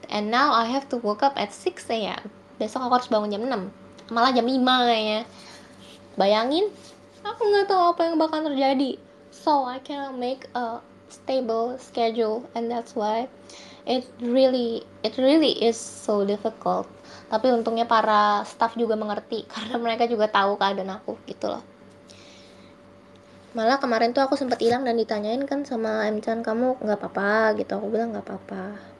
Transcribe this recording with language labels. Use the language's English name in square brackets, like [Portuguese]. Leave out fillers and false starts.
[English] And now I have to wake up at 6 a.m. [Indonesian] Besok aku harus bangun jam 6. Malah jam 5 kayaknya. Bayangin. Aku gak tahu apa yang bakal terjadi. [English] So I cannot make a stable schedule. And that's why it really is so difficult. [Indonesian] Tapi untungnya para staff juga mengerti karena mereka juga tahu keadaan aku gitu loh. Malah kemarin tuh aku sempat hilang dan ditanyain kan sama Emchan, kamu nggak apa-apa gitu. Aku bilang nggak apa-apa.